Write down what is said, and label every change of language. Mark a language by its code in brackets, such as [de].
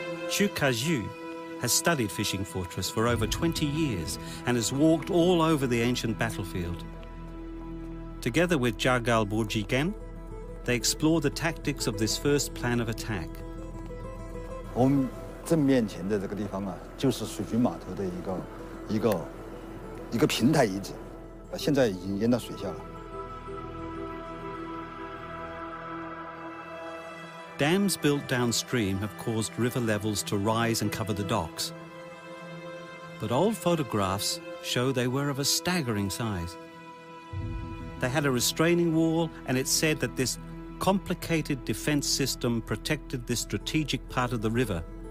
[en] Chu Kaizhu has studied fishing fortress for over 20 years and has walked all over the ancient battlefield. Together with Jiagao Bojizhen, they explore the tactics of this first plan of attack. [zh] 我们正面前的这个地方啊，就是水军码头的一个平台遗址，现在已经淹到水下了。 [en] Dams built downstream have caused river levels to rise and cover the docks. But old photographs show they were of a staggering size. They had a restraining wall, and it's said that this complicated defense system protected this strategic part of the river.